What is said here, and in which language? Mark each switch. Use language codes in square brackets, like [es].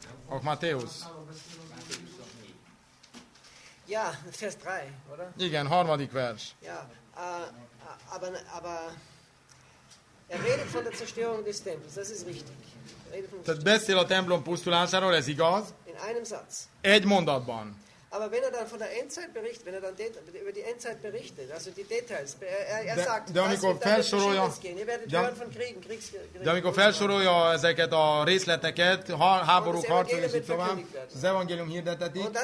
[de] Auch Matthäus. Ja, Vers 3, oder? [hu] Igen, harmadik vers. [de] Ja, aber er redet von der Zerstörung des Tempels, das ist richtig. [hu] Tehát beszél a templom pusztulásáról, ez igaz? [de] In einem Satz. [hu] Egy mondatban. [de] Aber wenn er dann von der Endzeit berichtet, wenn er dann über die Endzeit berichtet, also die Details, [hu] de amikor felsorolja ezeket a részleteket, háborúk, harcok és így tovább, az evangélium hirdetetik.